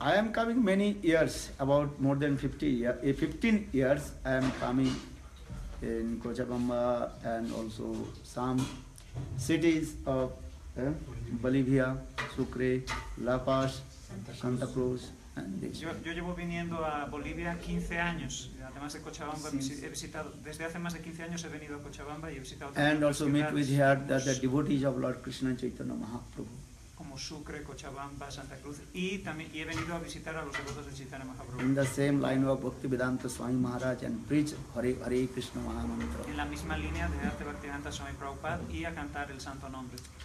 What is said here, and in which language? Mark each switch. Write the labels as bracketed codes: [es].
[en] I am coming many years, about more than 15 years I am coming in Cochabamba and also some cities of Bolivia, Sucre, La Paz, Santa Cruz and this. [es] Yo llevo viniendo a Bolivia 15 años, además de Cochabamba, he visitado, desde hace más de 15 años he venido a Cochabamba y he visitado también. [en] And also meet with here the devotees of Lord Krishna Chaitanya Mahaprabhu. [es] Como Sucre, Cochabamba, Santa Cruz, y he venido a visitar a los devotos de Chaitanya Mahaprabhu. [en] In the same line of Bhaktivedanta Swami Maharaj and preach Hare Krishna Mahamantra. [es] En la misma línea de arte Bhaktivedanta Swami Prabhupada y a cantar el santo nombre.